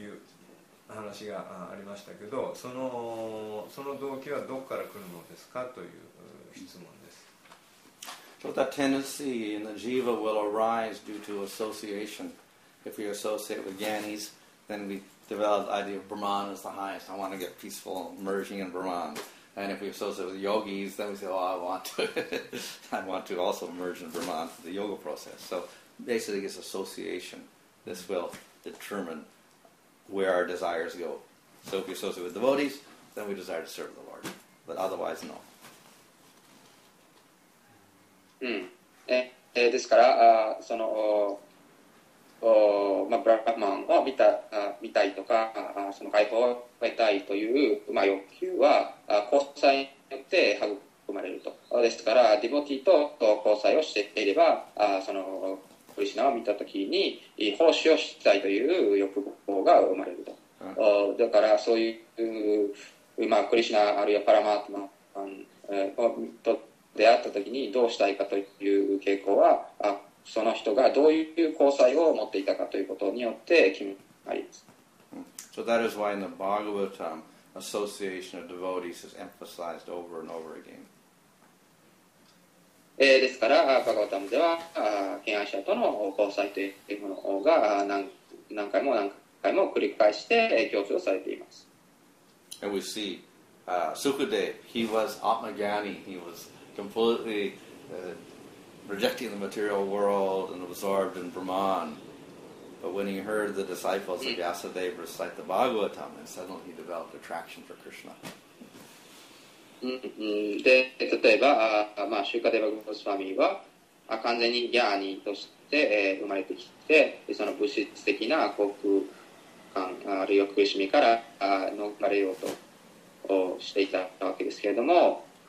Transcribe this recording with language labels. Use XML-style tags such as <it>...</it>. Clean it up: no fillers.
<ja>いう話がありましたけど、その動機はどこから来るのですかという質問です。</ja> <en>So that tendency in the jiva will arise due to association. If we associate with jnanis, then we develop the idea of Brahman as the highest. I want to get peaceful, merging in Brahman. And if we associate with yogis, then we say, oh, I want to. I want to also merge in Brahman for the yoga process. So basically, it's association. This will determine where our desires go. So if we associate with devotees, then we desire to serve the Lord. But otherwise, no.</en> <ja>ですから、その、まあ、ブラッマンを見たいとか、その解放を得たいという、まあ、欲求は、交際によって育まれると。ですから、ディボティと交際をしていれば、その、クリシナを見たときに奉仕をしたいという欲望が生まれると、はい、だからそういう、まあ、クリシナあるいはパラマートマンと出会ったときにどうしたいかという傾向はその人がどういう交際を持っていたかということによって決まります。</ja> <en>So that is why in the Bhagavatam association of devotees is emphasized over and over again</en> <ja>ですから、バガヴァタムでは、権威者との交際というものが何回も何回も繰り返して強調されています。</ja> <en>And we see, Sukadeva, he was Atmagyani, he was completely rejecting the material world and absorbed in Brahman. But when he heard the disciples of Vyasadeva recite the Bhagavatam, then suddenly he developed attraction for Krishna.</en> <ja>で例えば、まあ、シューカデバ・ゴスワミは完全にギャーニーとして、生まれてきて、その物質的な幸福感あるいは苦しみから逃れようとしていたわけですけれども、</ja>